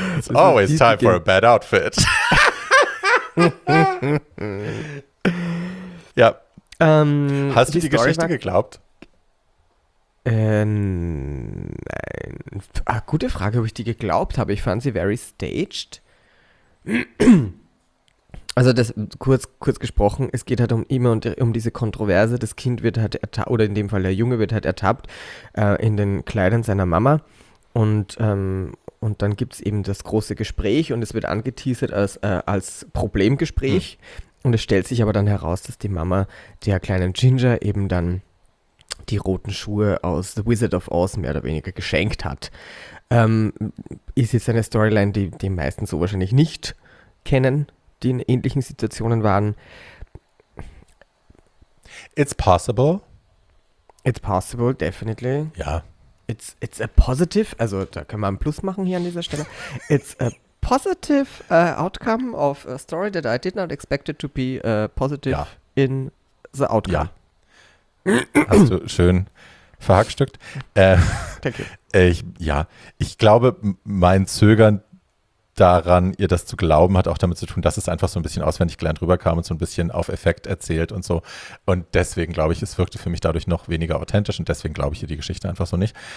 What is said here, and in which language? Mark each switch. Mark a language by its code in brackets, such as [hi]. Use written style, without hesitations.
[en] It's always time for a bad outfit. [de] Ja. Hast du die Geschichte geglaubt? Nein. Ah, gute Frage, ob ich die geglaubt habe. Ich fand sie [en] very staged. [de] Also das kurz gesprochen, es geht halt immer um diese Kontroverse. Das Kind wird halt ertappt, oder in dem Fall der Junge wird halt ertappt in den Kleidern seiner Mama. Und dann gibt es eben das große Gespräch und es wird angeteasert als Problemgespräch. Hm. Und es stellt sich aber dann heraus, dass die Mama der kleinen Ginger eben dann die roten Schuhe aus The Wizard of Oz mehr oder weniger geschenkt hat. Ist jetzt eine Storyline, die die meisten so wahrscheinlich nicht kennen, die in ähnlichen Situationen waren. [en] It's possible. It's possible, definitely. [de] Ja. [en] It's a positive, [de] also da können wir einen Plus machen hier an dieser Stelle. [en] It's a positive outcome of a story that I did not expect it to be positive ja. in the outcome. Ja. [de] Hast du schön verhackstückt. [en] Thank you. [de] Ich glaube, mein Zögern daran, ihr das zu glauben, hat auch damit zu tun, dass es einfach so ein bisschen auswendig gelernt rüberkam und so ein bisschen auf Effekt erzählt und so. Und deswegen glaube ich, es wirkte für mich dadurch noch weniger authentisch und deswegen glaube ich ihr die Geschichte einfach so nicht.